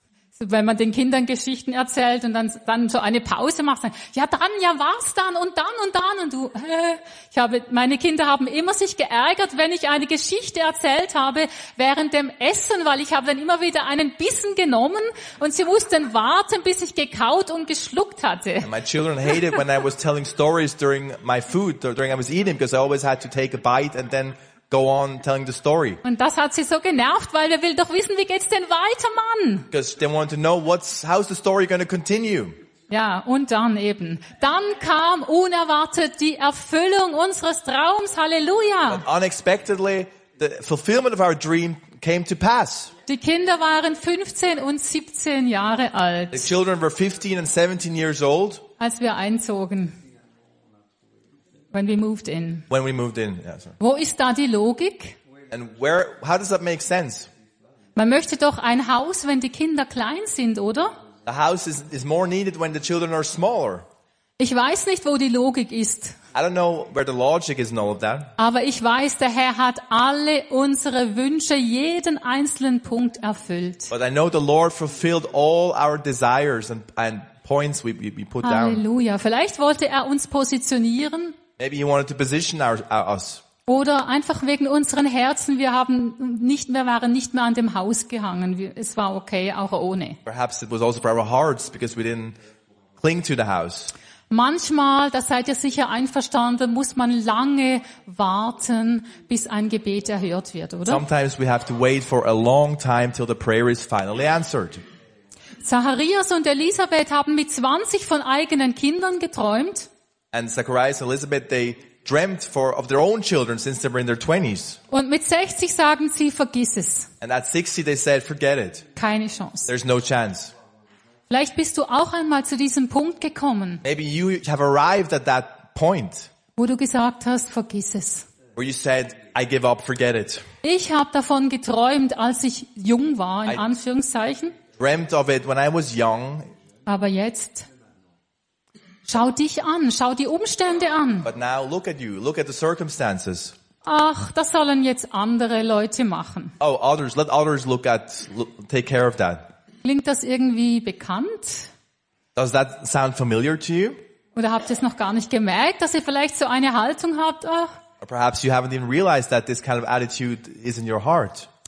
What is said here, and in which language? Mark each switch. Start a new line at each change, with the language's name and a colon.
German: So, wenn man den Kindern Geschichten erzählt und dann so eine Pause macht, dann, ja dann, ja was dann, und dann, und dann, und du, meine Kinder haben immer sich geärgert, wenn ich eine Geschichte erzählt habe während dem Essen, weil ich habe dann immer wieder einen Bissen genommen und sie mussten warten, bis ich gekaut und geschluckt hatte.
English: And my children hated when I was telling stories during my food, during I was eating, because I always had to take a bite and then go on telling the story.
German: Und das hat sie so genervt, weil wir will doch wissen, wie geht's denn weiter, Mann?
English: Because they want to know how's the story going to continue.
German: Ja, und dann eben. Dann kam unerwartet die Erfüllung unseres Traums. Halleluja.
English: But unexpectedly, the fulfillment of our dream came to pass.
German: Die Kinder waren 15 und 17 Jahre alt.
English: The children were 15 and 17 years old.
German: Als wir einzogen.
English: When we moved in. When we moved in, yeah, sorry.
German: Wo ist da die Logik?
English: And where, how does that make sense?
German: Man möchte doch ein Haus, wenn die Kinder klein sind, oder?
English: The house is more needed when the children are smaller.
German: Ich weiß nicht, wo die Logik ist.
English: I don't know where the logic is in all of that.
German: Aber ich weiß, der Herr hat alle unsere Wünsche, jeden einzelnen Punkt erfüllt.
English: But I know the Lord fulfilled all our desires and points we put
German: Halleluja.
English: Down.
German: Halleluja. Vielleicht wollte er uns positionieren.
English: Maybe he wanted to position us.
German: Oder einfach wegen unseren Herzen, wir waren nicht mehr an dem Haus gehangen. Es war okay, auch ohne.
English: Perhaps it was also for our hearts because we didn't cling to the house.
German: Manchmal, da seid ihr sicher einverstanden, muss man lange warten, bis ein Gebet erhört wird, oder?
English: Sometimes we have to wait for a long time till the prayer is finally answered.
German: Zacharias und Elisabeth haben mit 20 von eigenen Kindern geträumt.
English: And Zacharias and Elizabeth, they dreamt of their own children since they were in their 20s.
German: Und mit 60 sagen sie, vergiss es.
English: And at 60 they said, forget it.
German: Keine Chance.
English: There's no chance.
German: Vielleicht bist du auch einmal zu diesem Punkt gekommen.
English: Maybe you have arrived at that point.
German: Wo du gesagt hast, vergiss es.
English: Where you said, I give up, forget it.
German: Ich habe davon geträumt, als ich jung war, in Anführungszeichen.
English: Dreamt of it when I was young.
German: Aber jetzt, schau dich an, schau die Umstände an.
English: But now look at you, look at the circumstances.
German: Ach, das sollen jetzt andere Leute machen.
English: Oh, others, let others look at, take care of that.
German: Klingt das irgendwie bekannt?
English: Does that sound familiar to you?
German: Oder habt ihr es noch gar nicht gemerkt, dass ihr vielleicht so eine Haltung habt? Ach.
English: Or perhaps you haven't even realized that this kind of attitude is in your heart.